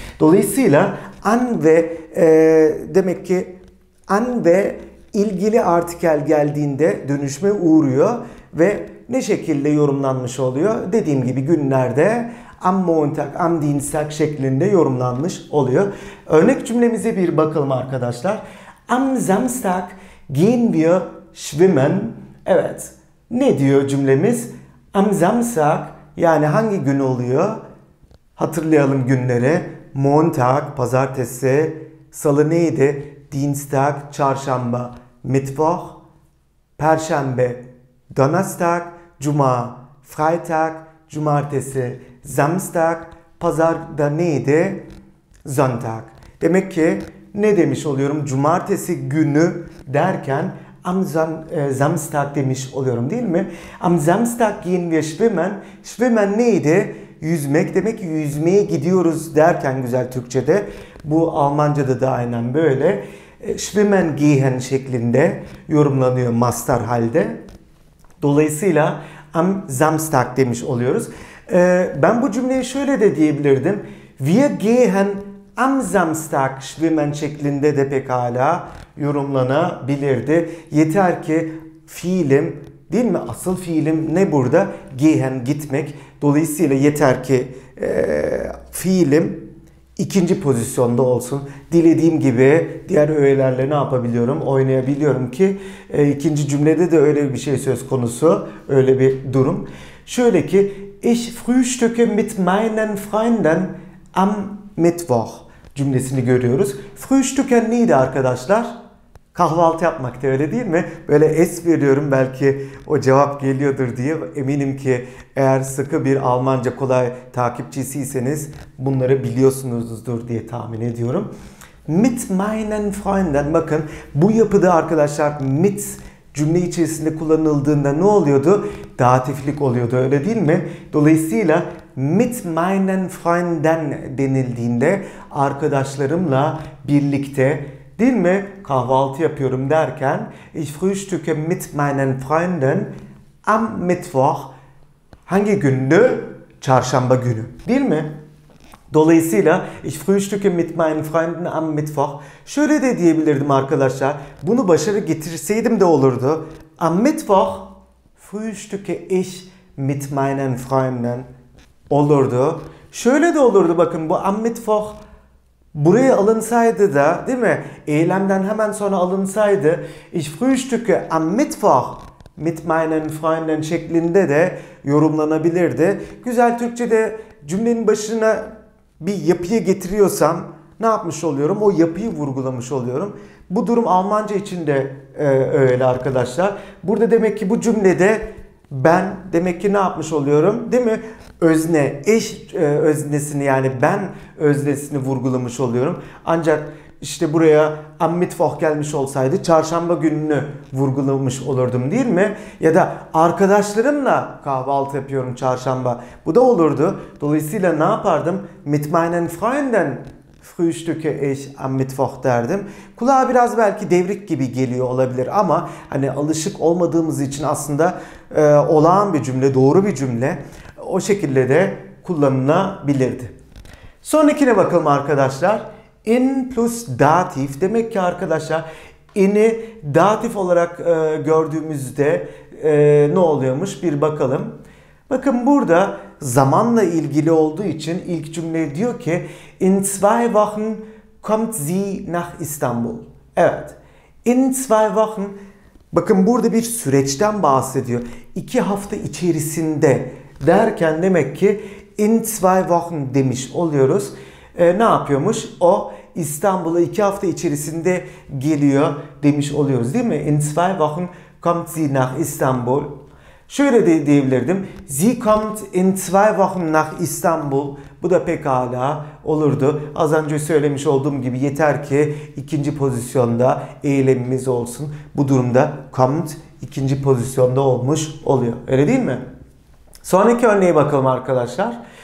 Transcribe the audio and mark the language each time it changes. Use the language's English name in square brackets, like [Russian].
[Turkish] Dolayısıyla an ve demek ki an ve ilgili artikel geldiğinde dönüşme uğruyor ve ne şekilde yorumlanmış oluyor? Dediğim gibi günlerde [German] am Montag, am Dienstag [Turkish] şeklinde yorumlanmış oluyor. Örnek cümlemize bir bakalım arkadaşlar. [German] Am Samstag gehen wir schwimmen. [Turkish] Evet. Ne diyor cümlemiz? [German] Am Samstag, [Turkish] yani hangi gün oluyor? Hatırlayalım günleri. Montag, pazartesi. Salı neydi? Dienstag, çarşamba. Mittwoch, perşembe. Donnerstag, cuma. Freitag, cumartesi. Samstag, pazarda neydi? Sonntag. Demek ki ne demiş oluyorum? Cumartesi günü derken [German] am Samstag [Turkish] demiş oluyorum, değil mi? [German] Am Samstag gehen wir schwimmen. [Turkish] Schwimmen neydi? Yüzmek. Demek ki yüzmeye gidiyoruz derken güzel Türkçe'de. Bu Almanca'da da aynen böyle. [German] Schwimmen gehen [Turkish] şeklinde yorumlanıyor mastar halde. Dolayısıyla [German] am Samstag [Turkish] demiş oluyoruz. Ben bu cümleyi şöyle de diyebilirdim. [German] Wir gehen am Samstag schwimmen [Turkish] şeklinde de pekala yorumlanabilirdi. Yeter ki fiilim, değil mi? Asıl fiilim ne burada? Gehen, gitmek. Dolayısıyla yeter ki fiilim ikinci pozisyonda olsun. Dilediğim gibi diğer öğelerle ne yapabiliyorum? Oynayabiliyorum ki ikinci cümlede de öyle bir şey söz konusu. Öyle bir durum. Şöyle ki [German] ich frühstücke mit meinen Freunden am Mittwoch [Turkish] cümlesini görüyoruz. Frühstücken neydi arkadaşlar? Kahvaltı yapmak, da öyle değil mi? Böyle es veriyorum, belki o cevap geliyordur diye. Eminim ki eğer sıkı bir Almanca Kolay takipçisiyseniz bunları biliyorsunuzdur diye tahmin ediyorum. [German] Mit meinen Freunden, [Turkish] bakın bu yapıda arkadaşlar mit cümle içerisinde kullanıldığında ne oluyordu? Datiflik oluyordu, öyle değil mi? Dolayısıyla [German] mit meinen Freunden [Turkish] denildiğinde arkadaşlarımla birlikte, değil mi? Kahvaltı yapıyorum derken [German] ich frühstücke mit meinen Freunden am Mittwoch, [Turkish] hangi gündü? Çarşamba günü, değil mi? Dolayısıyla [German] ich frühstücke mit meinen Freunden am Mittwoch. [Turkish] Şöyle de diyebilirdim arkadaşlar. Bunu başarı getirseydim de olurdu. [German] Am Mittwoch frühstücke ich mit meinen Freunden. [Turkish] Olurdu. Şöyle de olurdu, bakın bu [German] am Mittwoch [Turkish] buraya alınsaydı da, değil mi? Eylemden hemen sonra alınsaydı [German] ich frühstücke am Mittwoch mit meinen Freunden [Turkish] şeklinde de yorumlanabilirdi. Güzel Türkçe'de cümlenin başına bir yapıya getiriyorsam ne yapmış oluyorum? O yapıyı vurgulamış oluyorum. Bu durum Almanca için de öyle arkadaşlar. Burada demek ki bu cümlede ben demek ki ne yapmış oluyorum, değil mi? Özne, eş öznesini, yani ben öznesini vurgulamış oluyorum. Ancak işte buraya [German] am mittwoch [Turkish] gelmiş olsaydı çarşamba gününü vurgulamış olurdum, değil mi? Ya da arkadaşlarımla kahvaltı yapıyorum çarşamba. Bu da olurdu. Dolayısıyla ne yapardım? [German] Mit meinen Freunden frühstücke ich am mittwoch [Turkish] derdim. Kulağa biraz belki devrik gibi geliyor olabilir ama hani alışık olmadığımız için aslında olağan bir cümle, doğru bir cümle. O şekilde de kullanılabilirdi. Sonrakine bakalım arkadaşlar. In plus datif. Demek ki arkadaşlar in'i datif olarak gördüğümüzde ne oluyormuş bir bakalım. Bakın burada zamanla ilgili olduğu için ilk cümle diyor ki [German] in zwei Wochen kommt sie nach Istanbul. [Turkish] Evet. [German] In zwei Wochen. [Turkish] Bakın burada bir süreçten bahsediyor. İki hafta içerisinde derken demek ki [German] in zwei Wochen [Turkish] demiş oluyoruz. Ne yapıyormuş? O İstanbul'a iki hafta içerisinde geliyor demiş oluyoruz, değil mi? [German] In zwei Wochen kommt sie nach Istanbul. [Turkish] Şöyle de diyebilirdim. [German] Sie kommt in zwei Wochen nach Istanbul. [Turkish] Bu da pekala olurdu. Az önce söylemiş olduğum gibi yeter ki ikinci pozisyonda eylemimiz olsun. Bu durumda kommt ikinci pozisyonda olmuş oluyor. Öyle değil mi? Sonraki örneğe bakalım arkadaşlar.